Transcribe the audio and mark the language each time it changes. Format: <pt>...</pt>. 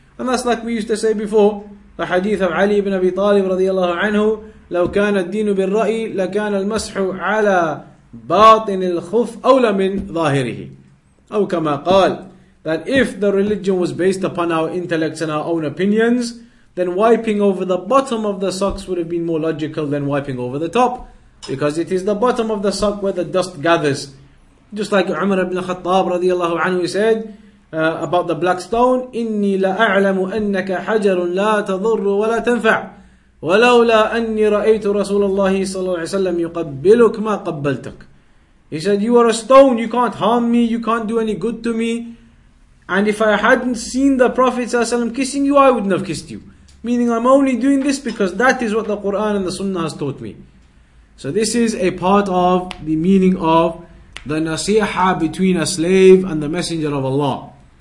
<en>And that's like we used to say before, the hadith of Ali ibn Abi Talib radiallahu anhu,</en> <ar>لو كان الدين بالرأي لكان المسح على باطن الخف أولى من ظاهره. أو كما قال,</ar> <en>that if the religion was based upon our intellects and our own opinions, then wiping over the bottom of the socks would have been more logical than wiping over the top, because it is the bottom of the sock where the dust gathers. Just like Umar ibn Khattab radiallahu anhu said about the black stone,</en> <ar>إني لأعلم أنك حجر لا تضر ولا تنفع ولولا أني رأيت رسول الله صلى الله عليه وسلم يقبلك ما قبلتك.</ar> <en>He said, you are a stone, you can't harm me, you can't do any good to me, and if I hadn't seen the Prophet ﷺ kissing you, I wouldn't have kissed you. Meaning I'm only doing this because that is what the Quran and the Sunnah has taught me. So this is a part of the meaning of the nasiha between a slave and the Messenger of Allah.</en>